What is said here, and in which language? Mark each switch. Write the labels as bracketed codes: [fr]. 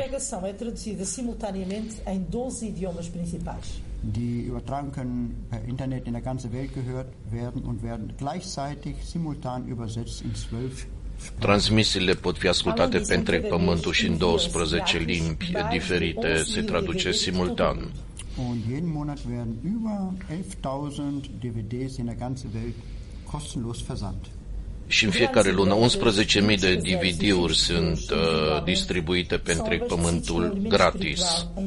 [pt] Pregação é traduzida simultaneamente em 12 idiomas principais. [de] Die Übertragung können per Internet in der ganzen Welt gehört werden und werden gleichzeitig simultan übersetzt in 12 Sprachen. [ro] Transmisiile pot fi ascultate pe întreg pământul și în 12 limbi diferite, se traduce simultan. [de] Und jeden Monat werden über 11.000 DVDs in der ganzen Welt kostenlos versandt. [ro] Și în fiecare lună 11.000 de DVD-uri sunt distribuite pe întreg pământul gratis.